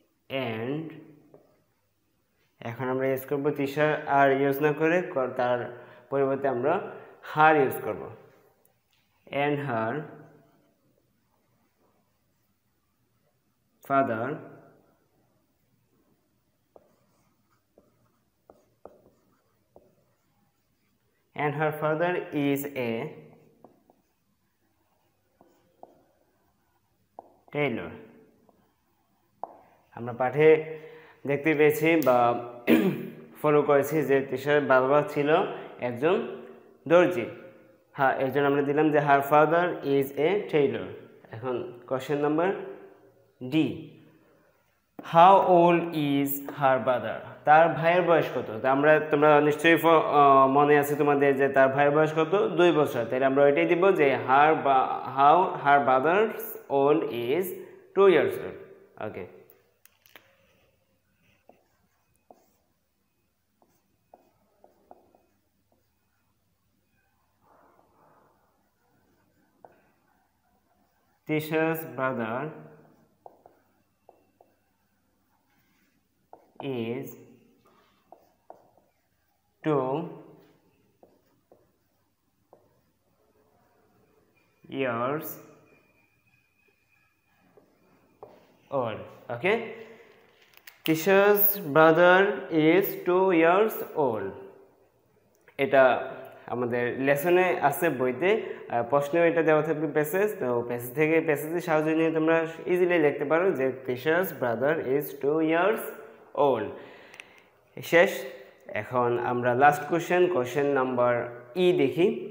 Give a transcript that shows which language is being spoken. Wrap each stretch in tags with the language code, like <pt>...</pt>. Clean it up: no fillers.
<bn>And এখন আমরা use করবো তিশা আর ইউজ না করে তার পরিবর্তে আমরা হার ইউজ করবো, and her</bn> <en>father and her father is a tailor.</en> <bn>আমরা পাঠে দেখতে পেয়েছি বা ফলো করেছি যে তিশার বাবা ছিল একজন দর্জি। হ্যাঁ, এর জন্য আমরা দিলাম যে</bn> <en>Her father is a tailor.</en> <bn>এখন question number D,</bn> <en>how old is her brother,</en> <bn>তার ভাইয়ের বয়স কত? তো আমরা, তোমরা নিশ্চয়ই মনে আছে তোমাদের যে তার ভাইয়ের বয়স কত? 2 বছর। তাহলে আমরা এটাই দিব যে হার বা</bn> <en>How her brother old is 2 years old.</en> <bn>Okay,</bn> <en>Tisha's brother is 2 years old. Okay, Tisha's brother is 2 years old.</en> <bn>Eta আমাদের লেসনে আছে বইতে, আর প্রশ্নেও এটা দেওয়া থাকবে প্যাসেজ। তো প্যাসেজ থেকে, প্যাসেজের সাহায্য নিয়ে তোমরা ইজিলি লিখতে পারো যে তিশার ব্রাদার</bn> <en>Is 2 years old.</en> <bn>শেষ, এখন আমরা last question, question number E দেখি।</bn>